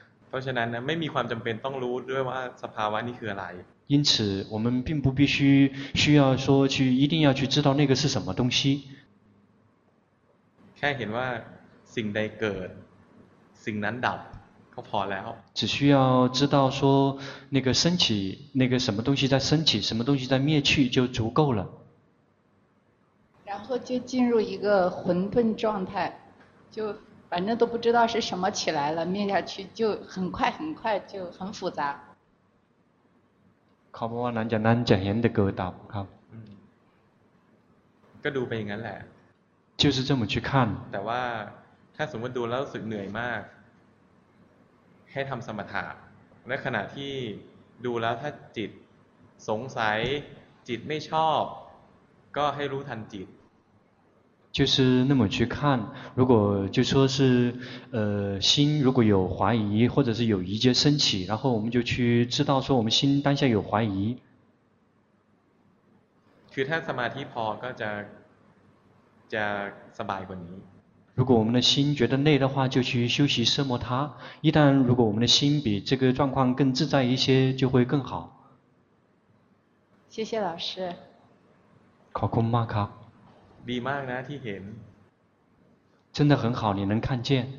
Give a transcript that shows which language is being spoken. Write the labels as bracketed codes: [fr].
[th] เพราะฉะนั้นนะไม่มีความจำเป็นต้องรู้ด้วยว่าสภาวะนี้คืออะไร [zh] 因此我们并不必须需要说去一定要去知道那个是什么东西 [th] แค่เห็นว่าสิ่งใดเกิดสิ่งนั้นดับก็พอแล้ว [zh] 只需要知道说那个升起那个什么东西在升起什么东西在灭去就足够了然后就进入一个混沌状态就反正都不知道是什么起来了灭下去就很快很快就很复杂 [th] เขาบอกว่าหลังจากนั้นจะเห็นแต่เกิดดับครับ ก็ดูไปอย่างนั้นแหละ [zh] 就是这么去看 [th] แต่ว่าถ้าสมมติดูแล้วรู้สึกเหนื่อยมากให้ทำสมถะและขณะที่ดูแล้วถ้าจิตสงสัยจิตไม่ชอบก็ให้รู้ทันจิต [zh] 就是那么去看如果就说是心如果有怀疑或者是有疑结升起然后我们就去知道说我们心当下有怀疑 [th] คือถ้าสมาธิพอก็จะสบายกว่านี้ [zh] 如果我们的心觉得累的话就去休息奢摩他一旦如果我们的心比这个状况更自在一些就会更好谢谢老师 [th] ขอบคุณมากครับ ดีมากนะที่เห็น [zh] 真的很好你能看见